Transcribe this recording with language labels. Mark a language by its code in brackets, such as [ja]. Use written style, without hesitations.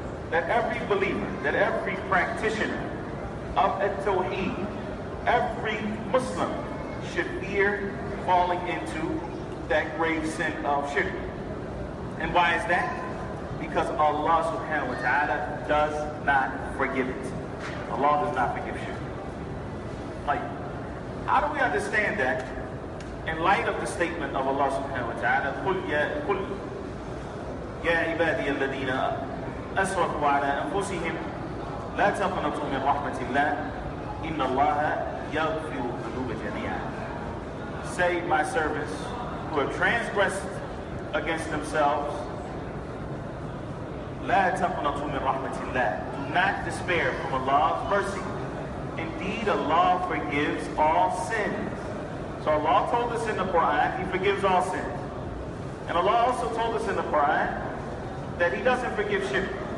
[en] That every believer, that every practitioner of at-tawheed, every Muslim should fear falling into that grave sin of shirk. And why is that? Because Allah subhanahu wa ta'ala does not forgive it. Allah does not forgive shirk. Like, how do we understand that in light of the statement of Allah subhanahu wa ta'ala, [ar] قُلْ يَا عِبَادِيَ الَّذِينَ أَسْرَفُوا عَلَىٰ أَنفُسِهِمْ لَا تَقْنَطُوا مِنْ رَحْمَةِ اللَّهِ إِنَّ اللَّهَ يَغْفِرُ الذُّنُوبَ جَمِيعًا. [en] Say, my servants who have transgressed against themselves, [ar] لا تقنطوا من رحمة الله. [en] Do not despair from Allah's mercy. Indeed, Allah forgives all sins. So Allah told us in the Quran, He forgives all sins. And Allah also told us in the Quran that He doesn't forgive shirk.